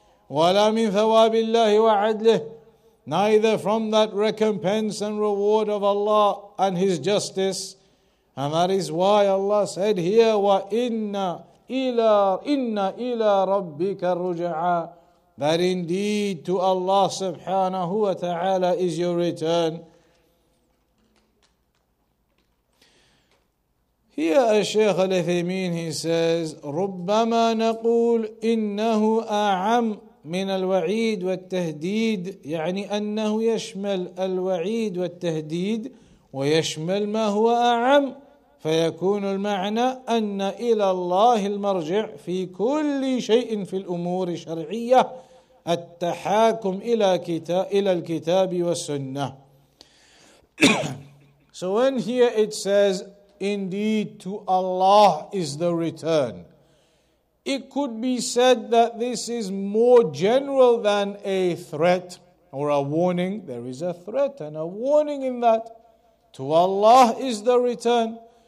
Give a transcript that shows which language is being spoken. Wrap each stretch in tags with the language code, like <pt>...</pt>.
<ar>وَلَا مِنْ ثَوَابِ اللَّهِ وَعَدْلِهِ,</ar> <en>neither from that recompense and reward of Allah and His justice. And that is why Allah said here,</en> <ar>وَإِنَّ إِلَىٰ رَبِّكَ الرُّجَعَىٰ,</ar> <en>that indeed to Allah subhanahu wa ta'ala is your return. Here al-Shaykh al-Uthaymeen, he says,</en> <ar>رُبَّمَا نَقُولُ إِنَّهُ أَعَمْ مِنَ الْوَعِيدِ وَالتَّهْدِيدِ, يعني أنه يشمل الوعيد والتهديد ويشمل ما هو أعم, فيكون المعنى أن إلى الله المرجع في كل شيء في الأمور الشرعية التحاكم إلى الكتاب والسنة.</ar> <en>So when here it says, indeed to Allah is the return, it could be said that this is more general than a threat or a warning. There is a threat and a warning in that. To Allah is the return.</en>